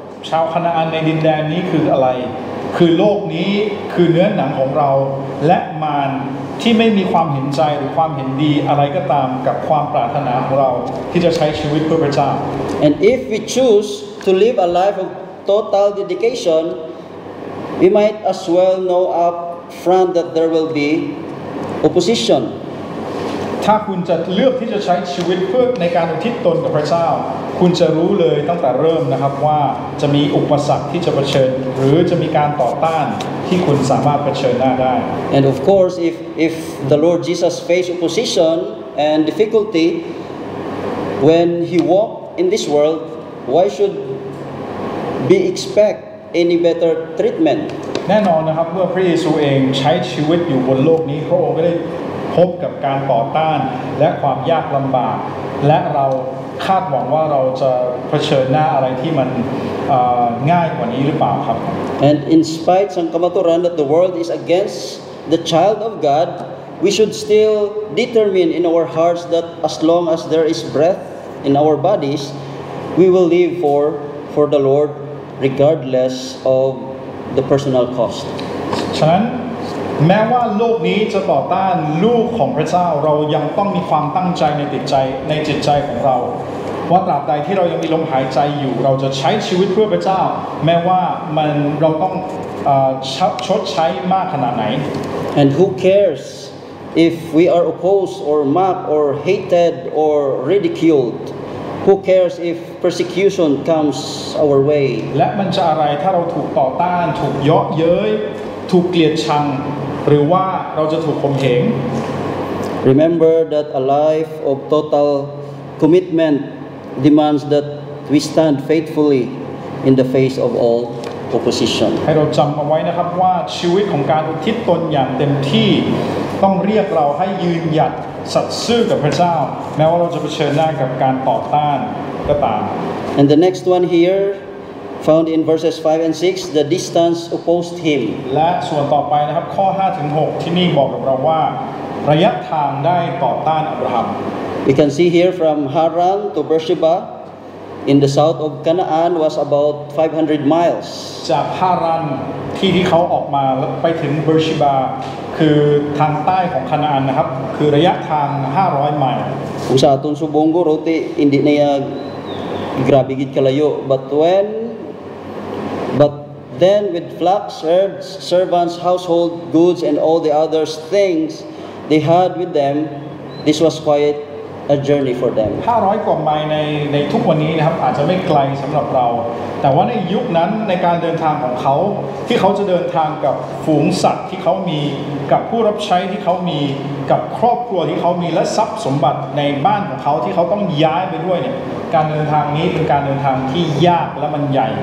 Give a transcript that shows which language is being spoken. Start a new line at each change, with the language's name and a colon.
Thai: ชาวคานาอันในดินแดนนี้คืออะไรคือโลกนี้คือเนื้อหนังของเราและมารที่ไม่มีความเห็นใจหรือความเห็นดีอะไรก็ตามกับความปรารถนาของเราที่จะใช้ชีวิตเพื่อพระเจ้า
English: And if we choose to live a life of total dedication, we might as well know up front that there will beOpposition.
Thai: ถ้าคุณจะเลือกที่จะใช้ชีวิตเพื่อในการอุทิศตนกับพระเจ้าคุณจะรู้เลยตั้งแต่เริ่มนะครับว่าจะมีอุปสรรคที่จะเผชิญหรือจะมีการต่อต้านที่คุณสามารถเผชิญหน้าได้
English: And of course if the Lord Jesus faced opposition and difficulty when he walked in this world why should we expect any better treatment
Thai: แน่นอนนะครับเมื่อพระเยซูเองใช้ชีวิตอยู่บนโลกนี้พระองค์ก็ได้พบกับการต่อต้านและความยากลำบากและเราคาดหวังว่าเราจะเผชิญหน้าอะไรที่มันง่ายกว่านี้หรือเปล่าครับ
English: And in spite of sangkamaturan that the world is against the child of God we should still determine in our hearts that as long as there is breath in our bodies we will live for the Lord regardless ofthe personal cost
Thai: ฉะนั้นแม้ว่าโลกนี้จะต่อต้านลูกของพระเจ้าเรายังต้องมีความตั้งใจในจิตใจของเราว่าตราบใดที่เรายังมีลมหายใจอยู่เราจะใช้ชีวิตเพื่อพระเจ้าแม้ว่ามันเราต้องชดใช้มากขนาดไหน
English: And who cares if we are opposed or mocked or hated or ridiculedWho cares if persecution comes our way?
Thai: และมันจะอะไรถ้าเราถูกต่อต้านถูกเยาะเย้ยถูกเกลียดชังหรือว่าเราจะถูกข่มเหง
English: Remember that a life of total commitment demands that we stand faithfully in the face of all opposition.
Thai: ให้เราจำเอาไว้นะครับว่าชีวิตของการอุทิศตนอย่างเต็มที่ต้องเรียกเราให้ยืนหยัดสัตย์ซื่อกับพระเจ้าแม้ว่าเราจะเผชิญหน้ากับการต่อต้านก็ตาม
English: And the next one here found in verses 5 and 6 the distance opposed him
Thai: และส่วนต่อไปนะครับข้อ5ถึง6ที่นี่บอกกับเราว่าระยะทางได้ต่อต้านอับราฮัม
English: We can see here from Haran to Beersheba in the south of Canaan was about 500 miles
Thai: จากฮารันที่เขาออกมาไปถึงเบอร์ชิบาคือทางใต้ของคานาอันนะครับคือระยะทาง500ไมล์ Usatun subunggo roti indinea grabigit kalayo
English: but then with flocks herds servants household goods and all the other things they had with them this was quite a journey for them
Thai: 500กว่าไมล์ในทุกวันนี้นะครับอาจจะไม่ไกลสำหรับเราแต่ว่าในยุคนั้นในการเดินทางของเขาที่เขาจะเดินทางกับฝูงสัตว์ที่เขามีกับผู้รับใช้ที่เขามีกับครอบครัวที่เขามีและทรัพย์สมบัติในบ้านของเขาที่เขาต้องย้ายไปด้วยเนี่ยการเดินทางนี้เป็นการเดินทางที่ยากและมันใหญ